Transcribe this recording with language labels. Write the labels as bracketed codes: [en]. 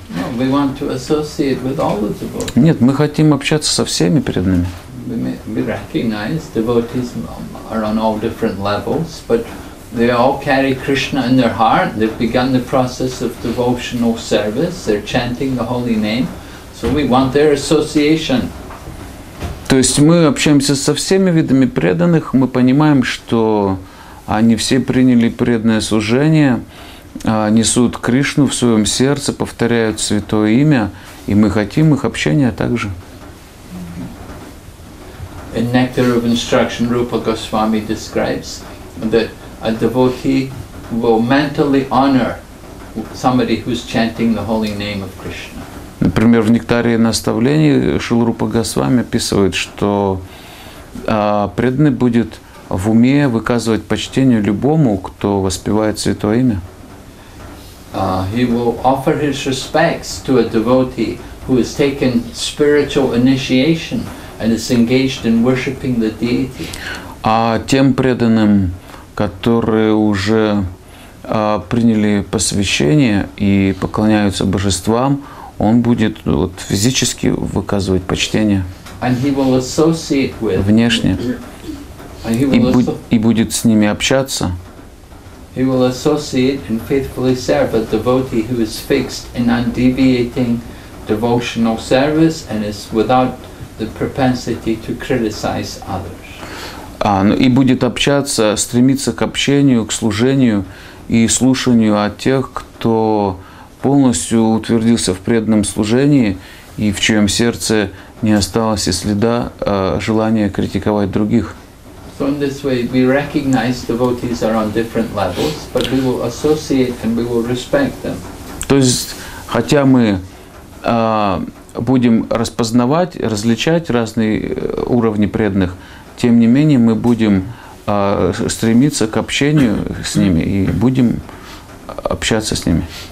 [en] No, we want to associate with all the devotees. [ru] Нет, мы хотим общаться со всеми перед нами. [en] We recognize devotees are on all different levels, but they all carry Krishna in their heart. They've begun the process of devotional service. They're chanting the holy name. So we want their association. [ru] То есть мы общаемся со всеми видами преданных, мы понимаем, что они все приняли преданное служение, несут Кришну в своем сердце, повторяют святое имя, и мы хотим их общения также. [en] In Nectar of Instruction, Rupa Goswami describes that a devotee will mentally honor somebody who's chanting the holy name of Krishna. [ru] Например, в «Нектаре наставлений» Шрила Рупа Госвами описывает, что преданный будет в уме выказывать почтение любому, кто воспевает Святое Имя. [en] He will offer his respects to a devotee who has taken spiritual initiation and is engaged in worshiping the deity. [ru] А тем преданным, которые уже приняли посвящение и поклоняются божествам, он будет вот, физически выказывать почтение внешне и будет с ними общаться. [en] He will associate and faithfully serve a devotee who is fixed in undeviating devotional service and is without the propensity to criticize others. [ru] И будет общаться, стремиться к общению, к служению и слушанию от тех, кто полностью утвердился в преданном служении и в чьем сердце не осталось и следа желания критиковать других. [en] So in this way we recognize devotees are on different levels, but we will associate and we will respect them. [ru] То есть, хотя мы будем распознавать, различать разные уровни преданных, тем не менее мы будем стремиться к общению с ними и будем общаться с ними.